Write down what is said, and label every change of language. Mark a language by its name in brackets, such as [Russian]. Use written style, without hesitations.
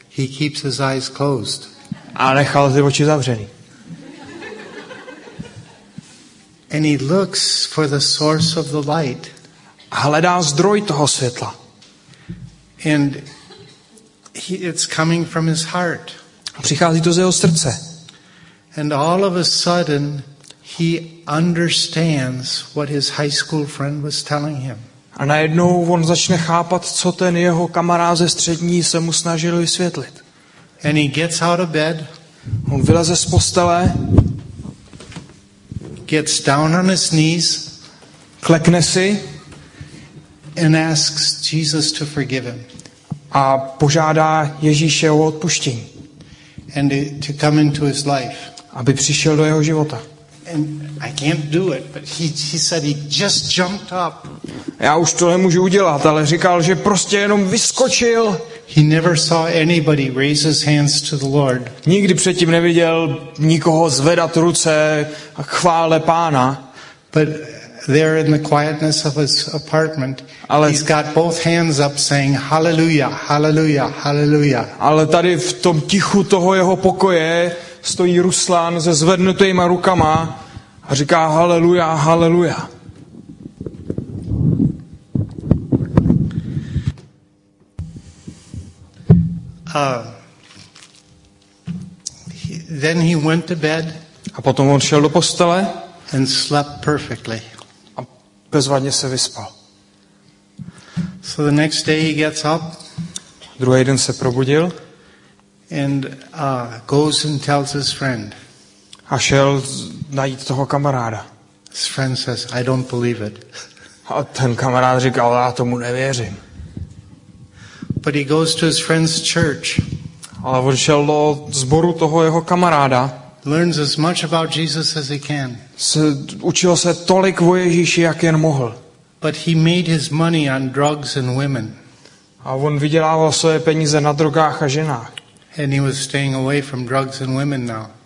[English] He keeps his eyes closed. [Czech] A nechal ty oči zavřený. [English] And he looks for the source of the light. [Czech] A hledá zdroj toho světla. [English] And it's coming from his heart. [Czech] Přichází to z jeho srdce. [English] And all of a sudden he understands what his high school friend was telling him. [Czech] A najednou on začne chápat, co ten jeho kamarád ze střední se mu snažil vysvětlit. [English] And he gets out of bed. [Czech] On vyleze z postele. [English] Gets down on his knees, [Czech] klekne si, [English] and asks Jesus to forgive him. [Czech] A požádá Ježíše o odpuštění. [English] And to come into his life. [Czech] Aby přišel do jeho života. [English] And I can't do it, but he said he just jumped up. [Czech] Já už to nemůžu udělat, ale říkal, že prostě jenom vyskočil. [English] He never saw anybody raise his hands to the Lord. [Czech] Nikdy předtím neviděl nikoho zvedat ruce a chvále Pána. [English] But there in the quietness of his apartment, ale, he's got both hands up saying hallelujah, hallelujah, hallelujah. [Czech] Ale tady v tom tichu toho jeho pokoje stojí Ruslan se zvednutýma rukama a říká haleluja, haleluja. [English] Then he went to bed. [Czech] A potom on šel do postele. [English] And slept perfectly. [Czech] A bezvadně se vyspal. [English] So the next day he gets up. [Czech] Druhý den se probudil. [English] And goes and tells his friend. [Czech] A šel najít toho kamaráda. [English] His friend says, I don't believe it. [Czech] A ten kamarád říkal, já tomu nevěřím. [English] But he goes to his friend's church. [Czech] Ale on šel do sboru toho jeho kamaráda. [English] Learns as much about Jesus as he can. [Czech] Učil se tolik o Ježíši, jak jen mohl. [English] But he made his money on drugs and women. [Czech] A on vydělával své peníze na drogách a ženách. [English] And he was staying away from drugs and women now.